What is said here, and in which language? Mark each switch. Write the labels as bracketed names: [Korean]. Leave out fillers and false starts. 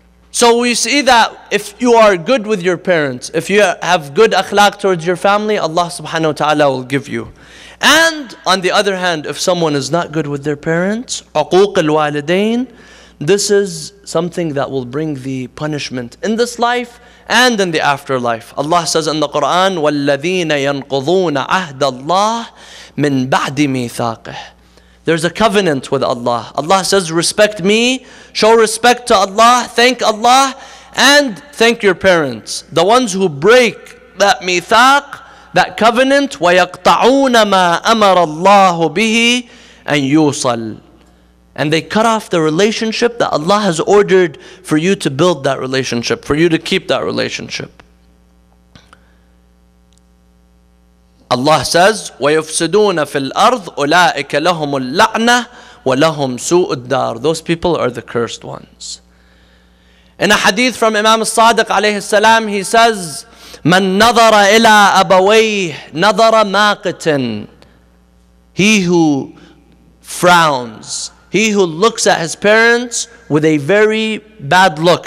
[English] So we see that if you are good with your parents, if you have good akhlaq towards your family, Allah subhanahu wa ta'ala will give you. And on the other hand, if someone is not good with their parents, [Arabic] عقوق الوالدين, [English] this is something that will bring the punishment in this life and in the afterlife. Allah says in the Quran, [Arabic] وَالَّذِينَ يَنْقُضُونَ عَهْدَ اللَّهِ مِنْ بَعْدِ مِيثَاقِهِ. [English] There's a covenant with Allah. Allah says, respect me, show respect to Allah, thank Allah, and thank your parents. The ones who break that mithaq, that covenant, [Arabic] وَيَقْطَعُونَ مَا أَمَرَ اللَّهُ بِهِ أَنْ يُوصَلْ. [English] And they cut off the relationship that Allah has ordered for you to build that relationship, for you to keep that relationship. Allah says, [Arabic] وَيُفْسِدُونَ فِي الْأَرْضِ أُولَٰئِكَ لَهُمُ اللَّعْنَةِ وَلَهُمْ سُوءُ الدَّارِ. [English] Those people are the cursed ones. In a hadith from Imam al-Sadiq alayhi salam, he says, [Arabic] مَنْ نَظَرَ إِلَىٰ أَبَوَيْهِ نَظَرَ مَاقِتٍ. [English] He who frowns, he who looks at his parents with a very bad look.